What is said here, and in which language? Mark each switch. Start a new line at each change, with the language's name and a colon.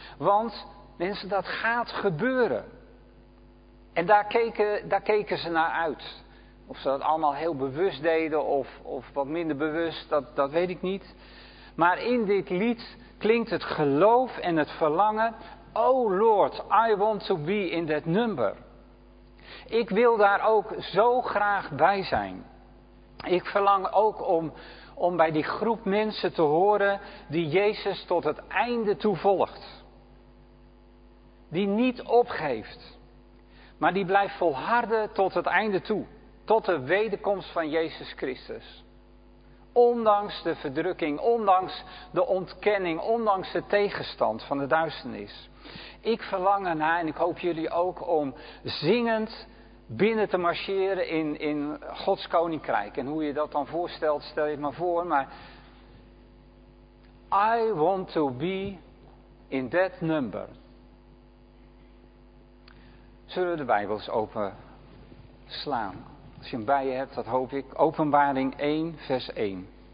Dutch: Want, mensen, dat gaat gebeuren. En daar keken ze naar uit. Of ze dat allemaal heel bewust deden of wat minder bewust, dat weet ik niet. Maar in dit lied klinkt het geloof en het verlangen.
English: Oh Lord, I want to be in that number.
Dutch: Ik wil daar ook zo graag bij zijn. Ik verlang ook om bij die groep mensen te horen die Jezus tot het einde toe volgt. Die niet opgeeft, maar die blijft volharden tot het einde toe. Tot de wederkomst van Jezus Christus. Ondanks de verdrukking, ondanks de ontkenning, ondanks de tegenstand van de duisternis. Ik verlang ernaar en ik hoop jullie ook om zingend binnen te marcheren in Gods Koninkrijk. En hoe je dat dan voorstelt, stel je het maar voor.
English: Maar I want to be in that number.
Dutch: Zullen we de Bijbels open slaan? Als je hem bij je hebt, dat hoop ik. Openbaring 1, vers 1.